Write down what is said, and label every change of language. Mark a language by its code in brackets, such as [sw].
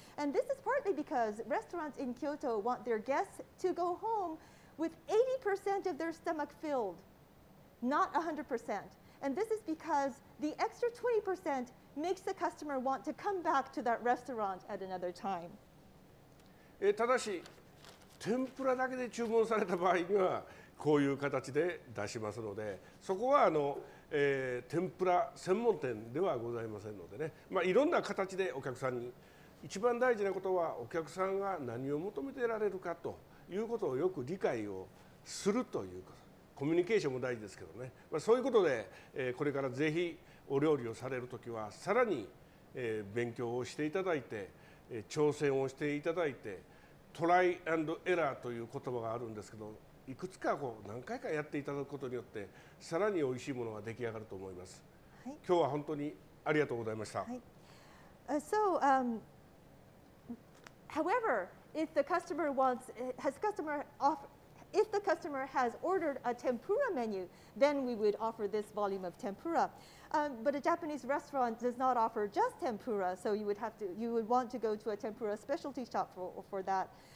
[en] And this is partly because restaurants in Kyoto want their guests to go home with 80% of their stomach filled, not 100%. And this is because the extra 20% makes the customer want to come back to that restaurant at another time. [ja] ただし天ぷらだけで注文された場合にはこういう形で出しますので、そこは天ぷら専門店ではございませんのでね、まあ、いろんな形でお客さんに、一番大事なことはお客さんが何を求めてられるかということをよく理解をするということ、コミュニケーションも大事ですけどね、まあ、そういうことで、これからぜひお料理をされるときはさらに、勉強をしていただいて、挑戦をしていただいて、トライ&エラーという言葉があるんですけど、いくつかこう何回かやっていただくことによってさらにおいしいものが出来上がると思います、はい、今日は本当にありがとうございました、 [en] はい、So, however, if the customer wants, has customer off, if the customer has ordered a tempura menu, then we would offer this volume of tempura. But a Japanese restaurant does not offer just tempura, so you would want to go to a tempura specialty shop for that.